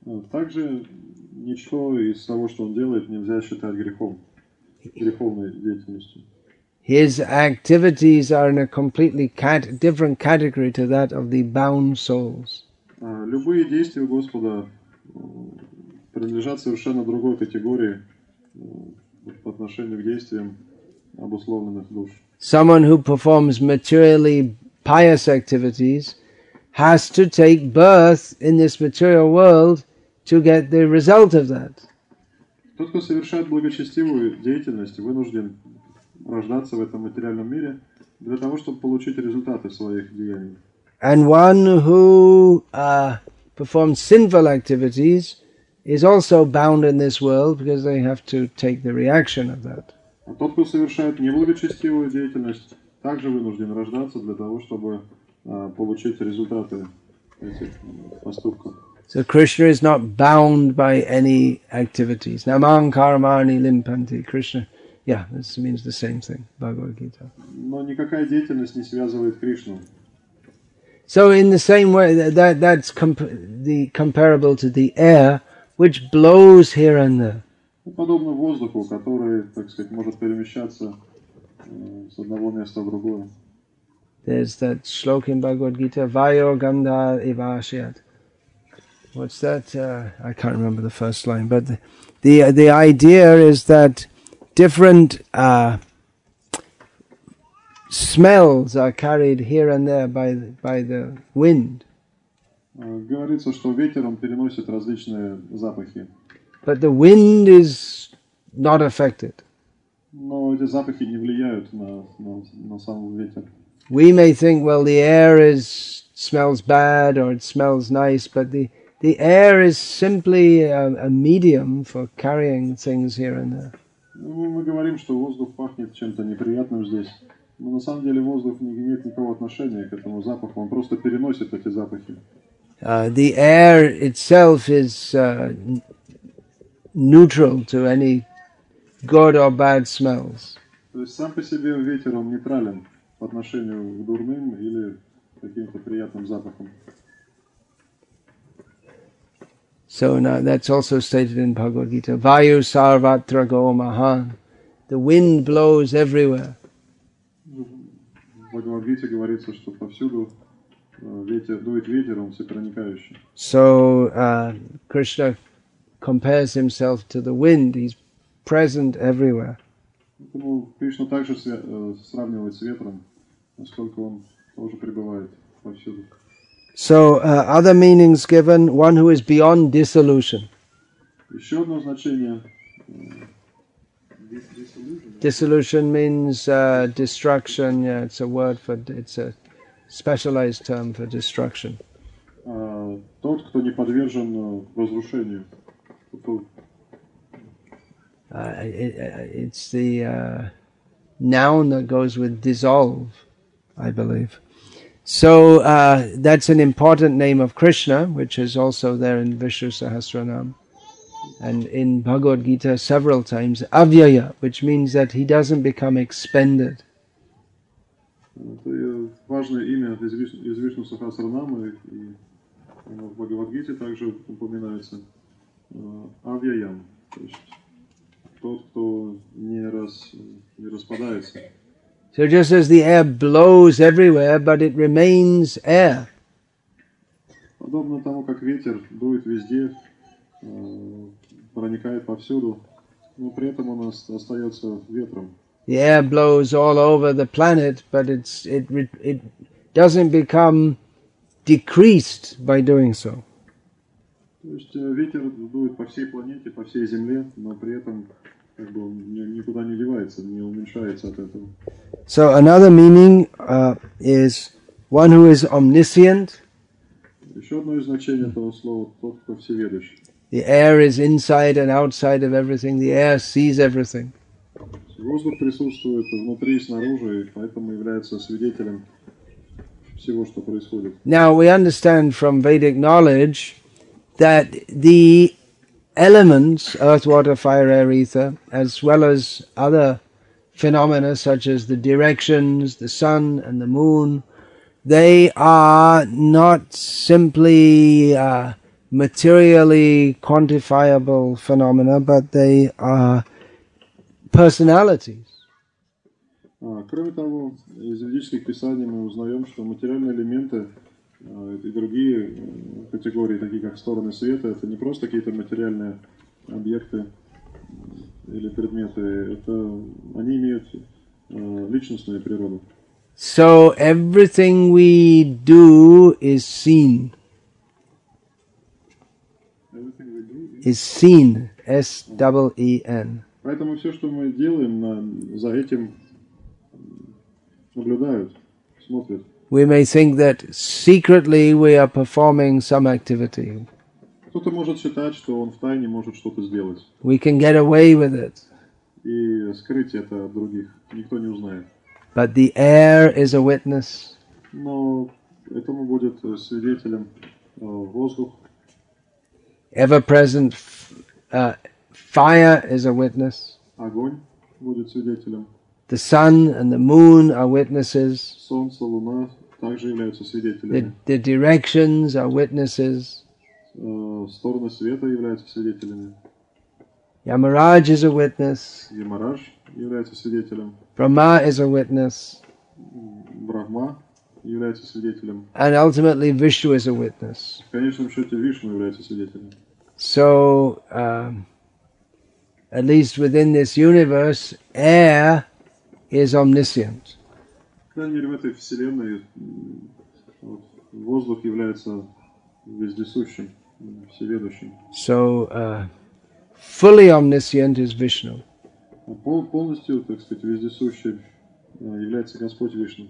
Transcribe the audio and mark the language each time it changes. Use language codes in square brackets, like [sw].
[ru] Также ничто из того, что он делает, нельзя считать грехом, греховной деятельностью. [en] His activities are in a completely different category to that of the bound souls. [ru] Любые действия Господа принадлежат совершенно другой категории по отношению к действиям обусловленных душ. [en] Someone who performs materially pious activities has to take birth in this material world to get the result of that. [ru] Тот, кто совершает благочестивую деятельность, вынужден рождаться в этом материальном мире для того, чтобы получить результаты своих деяний. [en] And one who performs sinful activities is also bound in this world because they have to take the reaction of that. [ru] А тот, кто совершает неблагочестивую деятельность, также вынужден рождаться для того, чтобы получить результаты этих поступков. [en] So Krishna is not bound by any activities. [sa] Namam karmani limpanti [en] Krishna. Yeah, this means the same thing, Bhagavad Gita. [ru] Но никакая деятельность не связывает Кришну. [en] So in the same way, that's comparable to the air, which blows here and there. [ru] Подобно воздуху, который, так сказать, может перемещаться с одного места в другое. [en] There's that shloka in Bhagavad Gita, [sa] Vayo Gandha Ivashyat. [en] What's that? I can't remember the first line, but the idea is that different smells are carried here and there by the wind. [ru] Говорится, что ветером переносит различные запахи. [en] But the wind is not affected. [ru] Но эти запахи не влияют на сам ветер. [en] We may think, well, the air is smells bad or it smells nice, but the air is simply a medium for carrying things here and there. [ru] Мы говорим, что воздух пахнет чем-то неприятным здесь. Но на самом деле воздух не имеет никакого отношения к этому запаху. Он просто переносит эти запахи. [en] The air itself is neutral to any good or bad smells. [ru] То есть сам по себе ветер, он нейтрален по отношению к дурным или каким-то приятным запахам. [en] So now that's also stated in Bhagavad Gita. [sa] Vayu sarvatra go mahan. [en] The wind blows everywhere. [ru] В Бхагавад Гите говорится, что повсюду дует ветер, он всепроникающий. [en] So Krishna compares himself to the wind. He's present everywhere. [ru] Поэтому Кришна также сравнивает с ветром, насколько он тоже пребывает повсюду. [en] So other meanings given, one who is beyond dissolution. [ru] Еще одно значение. [en] Dissolution means destruction. Yeah, it's a word for, it's a specialized term for destruction. [ru] Тот, кто не подвержен разрушению. [en] It's the noun that goes with dissolve, I believe. So that's an important name of Krishna, which is also there in Vishnu Sahasranam. And in Bhagavad Gita several times, avyaya, which means that he doesn't become expended. [ru] Это важное имя из Вишну Сахасранамы, и оно в Бхагавадгите также упоминается. Авьяям, то есть тот, кто не распадается. [en] So just as the air blows everywhere, but it remains air. [ru] Подобно тому, как ветер дует везде, проникает повсюду, но при этом он остается ветром. [en] The air blows all over the planet, but it doesn't become decreased by doing so. [ru] То есть ветер дует по всей планете, по всей Земле, но при этом как бы он никуда не девается, не уменьшается от этого. [en] So another meaning is one who is omniscient. [ru] Еще одно значение этого слова – тот, кто всеведущий. [en] The air is inside and outside of everything. The air sees everything. [ru] Воздух присутствует внутри и снаружи, и поэтому является свидетелем всего, что происходит. [en] Now we understand from Vedic knowledge that the elements, earth, water, fire, air, ether, as well as other phenomena such as the directions, the sun and the moon, they are not simply materially quantifiable phenomena, but they are personalities. [ru] Кроме того, из ведических писаний мы узнаем, что материальные элементы и другие категории, такие как стороны света, это не просто какие-то материальные объекты или предметы, это они имеют личностную природу. [en] So everything we do is seen. Everything we do is seen. S-E-E-N. [ru] Поэтому все, что мы делаем, за этим наблюдают, смотрят. [en] We may think that secretly we are performing some activity. [ru] Кто-то может считать, что он втайне может что-то сделать. [en] We can get away with it. [ru] И скрыть это от других. Никто не узнает. [en] But the air is a witness. [ru] Но этому будет свидетелем воздух. [en] Ever-present fire is a witness. [ru] Огонь будет свидетелем. [en] The sun and the moon are witnesses. [ru] Солнце, луна также являются свидетелями. [en] The directions are witnesses. [ru] Стороны света являются свидетелями. [en] Ямарадж is a witness. [ru] Ямарадж является свидетелем. [en] Брахма is a witness. [ru] Брахма является свидетелем. [en] And ultimately Vishnu is a witness. [ru] В конечном счете Вишну является свидетелем. [en] So, at least within this universe, air is omniscient. [ru] В этой вселенной воздух является вездесущим, всеведущим. [en] So, fully omniscient is Vishnu. [ru] Полностью, так сказать, вездесущим является Господь Вишну.